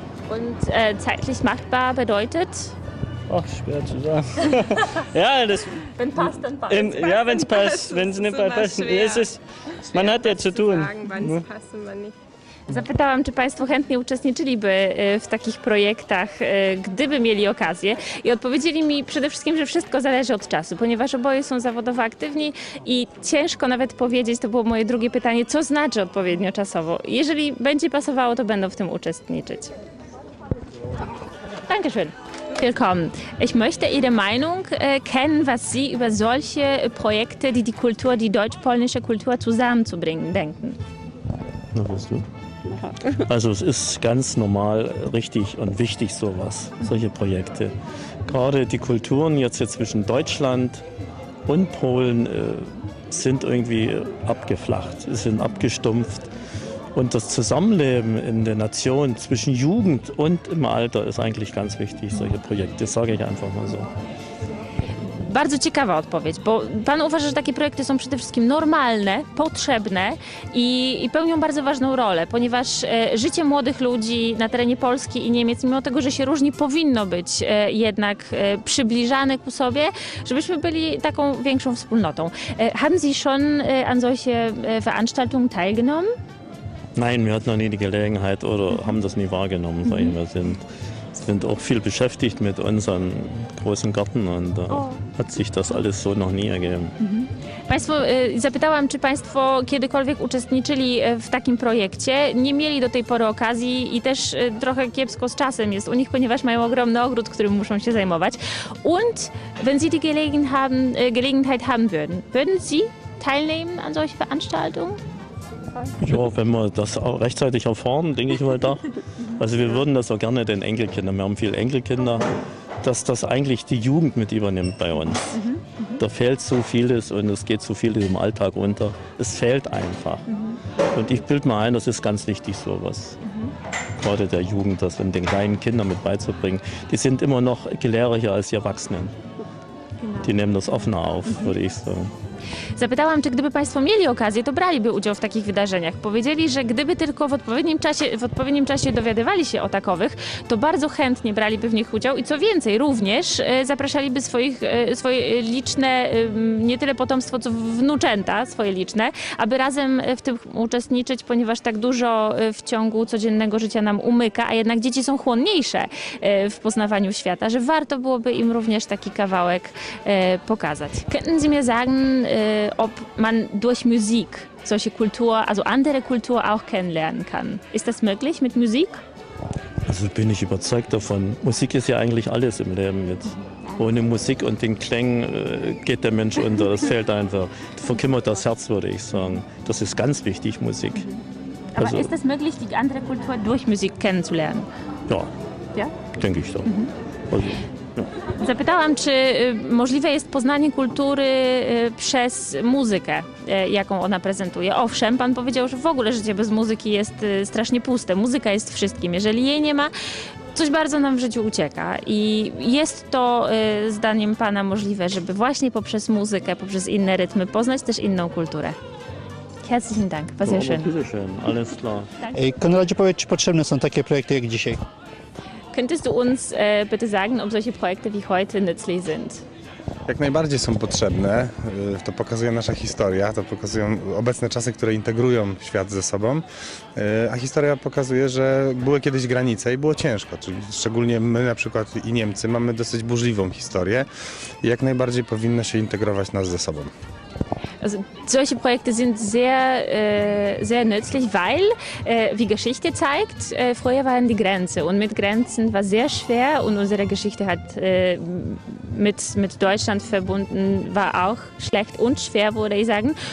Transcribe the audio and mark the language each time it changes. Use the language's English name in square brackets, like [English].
[German] Und zeitlich machbar bedeutet? Ach, schwer zu sagen. Ja, das. Wenn passt, dann passt. Wenn es passt, wenn es nicht passt, dann ist es. Man hat ja zu tun. Sagen, wann es passt und wann nicht. [Polish] Zapytałam, czy Państwo chętnie uczestniczyliby w takich projektach, gdyby mieli okazję. I odpowiedzieli mi przede wszystkim, że wszystko zależy od czasu, ponieważ oboje są zawodowo aktywni i ciężko nawet powiedzieć, to było moje drugie pytanie, co znaczy odpowiednio czasowo. Jeżeli będzie pasowało, to będą w tym uczestniczyć. [German] Dankeschön. Willkommen. Ich möchte Ihre Meinung kennen, was Sie über solche Projekte, die Kultur, die deutsch-polnische Kultur zusammenzubringen, denken. Na, bist du. Also es ist ganz normal, richtig und wichtig sowas, solche Projekte. Gerade die Kulturen jetzt hier zwischen Deutschland und Polen sind irgendwie abgeflacht, sind abgestumpft. Und das Zusammenleben in der Nation zwischen Jugend und im Alter ist eigentlich ganz wichtig, solche Projekte, sage ich einfach mal so. [Polish] bardzo ciekawa odpowiedź, bo pan uważa, że takie projekty są przede wszystkim normalne, potrzebne i pełnią bardzo ważną rolę, ponieważ życie młodych ludzi na terenie Polski i Niemiec, mimo tego, że się różni, powinno być jednak przybliżane ku sobie, żebyśmy byli taką większą wspólnotą. [German] Haben Sie schon an solche Veranstaltungen teilgenommen? Nein, wir hatten noch nie die Gelegenheit oder haben das nie wahrgenommen, sag ich mal. Wir sind auch viel beschäftigt mit unserem großen Garten und hat sich das alles so noch nie ergeben. [Polish] Państwo, zapytałam, czy państwo kiedykolwiek uczestniczyli w takim projekcie. Nie mieli do tej pory okazji i też trochę kiepsko z czasem jest u nich, ponieważ mają ogromny ogród, którym muszą się zajmować. [German] Und wenn Sie die Gelegenheit haben würden, würden Sie teilnehmen an solchen Veranstaltungen? Ja, wenn wir das auch rechtzeitig erfahren, denke ich mal da. Also wir würden das auch gerne den Enkelkindern, wir haben viele Enkelkinder, dass das eigentlich die Jugend mit übernimmt bei uns. Da fehlt so vieles und es geht so viel im Alltag unter. Es fehlt einfach. Und ich bilde mir ein, das ist ganz wichtig sowas. Gerade der Jugend, das in den kleinen Kindern mit beizubringen. Die sind immer noch gelehriger als die Erwachsenen. Die nehmen das offener auf, würde ich sagen. [Polish] Zapytałam, czy gdyby państwo mieli okazję, to braliby udział w takich wydarzeniach. Powiedzieli, że gdyby tylko w odpowiednim czasie dowiadywali się o takowych, to bardzo chętnie braliby w nich udział i co więcej, również zapraszaliby swoje liczne, nie tyle potomstwo, co wnuczęta swoje liczne, aby razem w tym uczestniczyć, ponieważ tak dużo w ciągu codziennego życia nam umyka, a jednak dzieci są chłonniejsze w poznawaniu świata, że warto byłoby im również taki kawałek pokazać. [German] Könnten Sie mir sagen, ob man durch Musik solche Kultur, also andere Kultur auch kennenlernen kann. Ist das möglich mit Musik? Also bin ich überzeugt davon. Musik ist ja eigentlich alles im Leben jetzt. Ohne Musik und den Klängen geht der Mensch unter. Das fehlt einfach. Verkümmert das Herz, würde ich sagen. Das ist ganz wichtig, Musik. Aber also, ist es möglich, die andere Kultur durch Musik kennenzulernen? Ja. Ja? Denke ich doch. Also. [Polish] Zapytałam, czy możliwe jest poznanie kultury przez muzykę, jaką ona prezentuje. Owszem, pan powiedział, że w ogóle życie bez muzyki jest strasznie puste. Muzyka jest wszystkim. Jeżeli jej nie ma, coś bardzo nam w życiu ucieka. I jest to zdaniem pana możliwe, żeby właśnie poprzez muzykę, poprzez inne rytmy poznać też inną kulturę. [German] Herzlichen Dank. Bardzo schön. Alles klar. [Polish] Konradzie, powiedz, czy potrzebne są takie projekty jak dzisiaj? [German] Könntest du uns bitte sagen, ob solche Projekte wie heute nützlich sind? [Polish] Jak najbardziej są potrzebne. To pokazuje nasza historia, to pokazują obecne czasy, które integrują świat ze sobą. A historia pokazuje, że były kiedyś granice i było ciężko. Czyli szczególnie my na przykład i Niemcy mamy dosyć burzliwą historię. I jak najbardziej powinno się integrować nas ze sobą. [German] Also solche Projekte sind sehr, sehr nützlich, weil, wie Geschichte zeigt, früher waren die Grenzen und mit Grenzen war sehr schwer und unsere Geschichte hat mit Deutschland verbunden, war auch schlecht und schwer, würde ich sagen.